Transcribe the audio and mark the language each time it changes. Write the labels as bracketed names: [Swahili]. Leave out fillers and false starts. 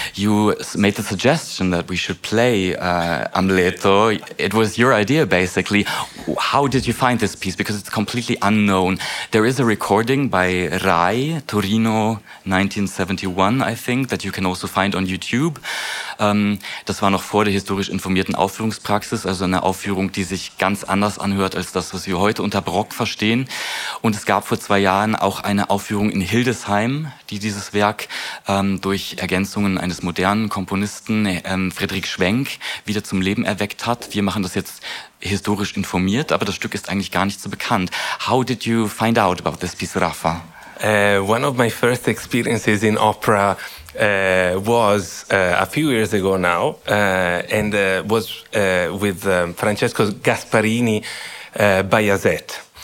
[English] You made the suggestion that we should play Amleto. It was your idea, basically. How did you find this piece? Because it's completely unknown. There is a recording by Rai, Torino, 1971, I think, that you can also find on YouTube. [German] Das war noch vor der historisch informierten Aufführungspraxis, also eine Aufführung, die sich ganz anders anhört als das, was wir heute unter Barock verstehen. Und es gab vor 2 Jahren auch eine Aufführung in Hildesheim, die dieses Werk durch Ergänzungen eines modernen Komponisten, Friedrich Schwenk, wieder zum Leben erweckt hat. Wir machen das jetzt historisch informiert, aber das Stück ist eigentlich gar nicht so bekannt. [English] How did you find out about this piece, Rafa? One of my first experiences in opera was a few years ago now, was with Francesco Gasparini, Bayazet,